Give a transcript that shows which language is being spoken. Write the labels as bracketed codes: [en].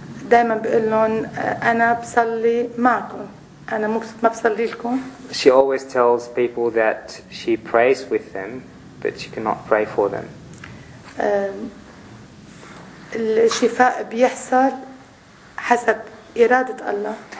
[ar] دائما بقول لهم انا بصلي معكم انا ما بصلي لكم. [en] She always tells people that she prays with them but she cannot pray for them. [ar] الشفاء بيحصل حسب إرادة الله.